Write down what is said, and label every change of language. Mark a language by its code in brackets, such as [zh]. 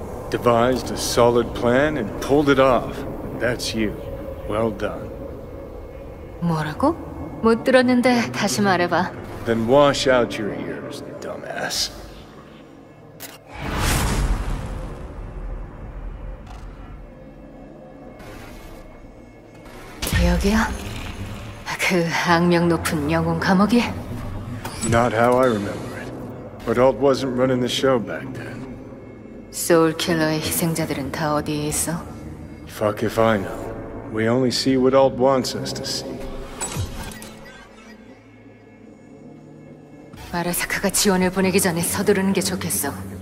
[en] Devised a solid plan and pulled it off. That's you. Well done. [ko] 뭐라고? 못 들었는데 다시 말해봐. [en] Then wash out your ears, dumbass. Here? [ko] 그 악명 높은 영웅 감옥이? [en] Not how I remember. But Alt wasn't running the show back then. [ko] Soul Killer의 희생자들은 다 어디에 있어? [en] Fuck if I know. We only see what Alt wants us to see. [ko] 마라사카가 지원을 보내기 전에 서두르는 게 좋겠어.